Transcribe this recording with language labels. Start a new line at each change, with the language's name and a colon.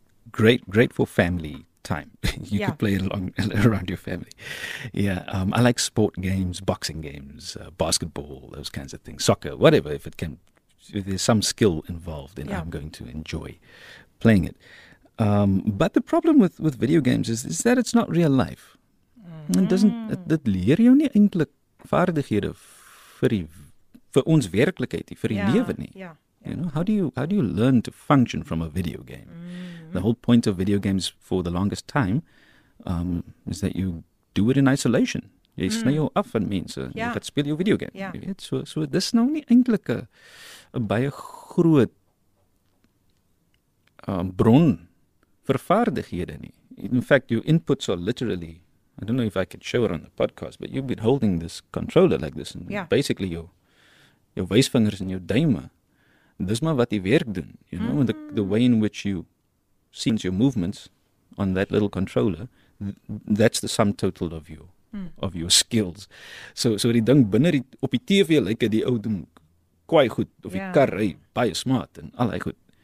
English: Great for family time. You could play along around your family. I like sport games, boxing games, basketball, those kinds of things. Soccer, whatever. If there's some skill involved, then I'm going to enjoy playing it. But the problem with video games is that it's not real life.
Afrikaans: And dit leer jou nie eintlik vaardighede vir ons werklikheid, vir die lewe nie.
English: Yeah. You know, how do you learn to function from a video game? Mm-hmm. The whole point of video games for the longest time is that you do it in isolation.
Afrikaans: Jy sny jou af van mense. Jy gaan speel jou video game.
English: Yeah.
Afrikaans: So dis nou nie eintlik 'n baie groot bron vir vaardighede nie.
English: In fact, your inputs are literally I don't know if I could show it on the podcast, but you've been holding this controller like this, and basically your wysvingers and your duime.
Afrikaans: Dis maar wat die werk doen,
English: you know, and the way in which you sense your movements on that little controller, that's the sum total of your of your skills.
Afrikaans: So die ding binne die op die TV lyk dit die ou doen kwai goed of die kar ry baie smart en al hy goed.